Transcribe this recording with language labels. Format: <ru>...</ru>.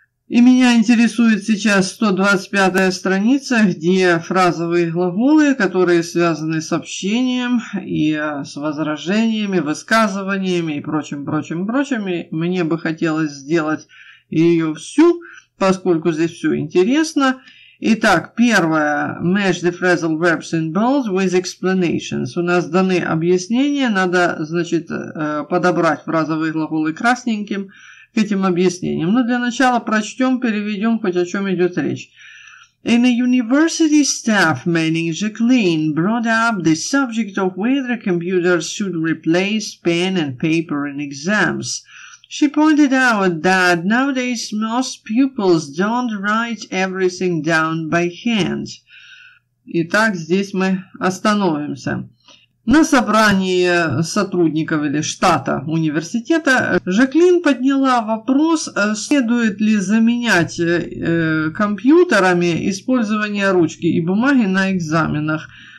<ru>И меня интересует сейчас 125-я страница, где фразовые глаголы, которые связаны с общением и с возражениями, высказываниями и прочим. Мне бы хотелось сделать ее всю, поскольку здесь все интересно. Итак, первое.</ru> <en>Match the phrasal verbs in bold with explanations.</en> <ru>У нас даны объяснения. Надо, значит, подобрать фразовые глаголы красненьким к этим объяснениям. Но для начала прочтем, переведем, хоть о чем идет речь.</ru> <en>In a university staff manager Clean brought up the subject of whether computers should replace pen and paper in exams. She pointed out that nowadays most pupils don't write everything down by hand.</en> <ru>Итак, здесь мы остановимся. На собрании сотрудников или штата университета Жаклин подняла вопрос, следует ли заменять компьютерами использование ручки и бумаги на экзаменах.</ru>